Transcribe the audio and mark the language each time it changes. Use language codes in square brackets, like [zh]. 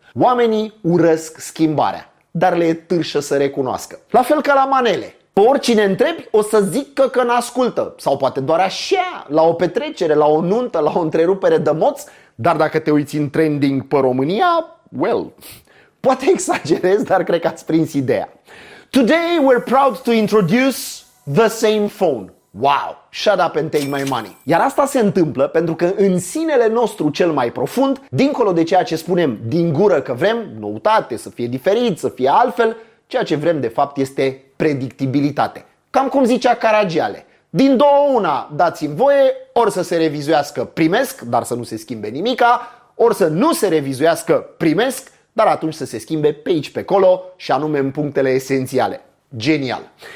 [ro] Oamenii urăsc schimbarea, dar le e târșă să recunoască. La fel ca la manele. Pe oricine întrebi, o să zică că n-ascultă. Sau poate doar așa, la o petrecere, la o nuntă, la o întrerupere de moț. Dar dacă te uiți în trending pe România, well, poate exagerez, dar cred că ați prins ideea. [en] Today we're proud to introduce the same phone. Wow, shut up and take my money. [ro] Iar asta se întâmplă pentru că în sinele nostru cel mai profund, dincolo de ceea ce spunem din gură că vrem noutate, să fie diferit, să fie altfel, ceea ce vrem de fapt este predictibilitate. Cam cum zicea Caragiale. Din două una, dați-mi voie, ori să se revizuiască, primesc, dar să nu se schimbe nimica, ori să nu se revizuiască, primesc, dar atunci să se schimbe pe aici, pe acolo, și anume în punctele esențiale. Genial!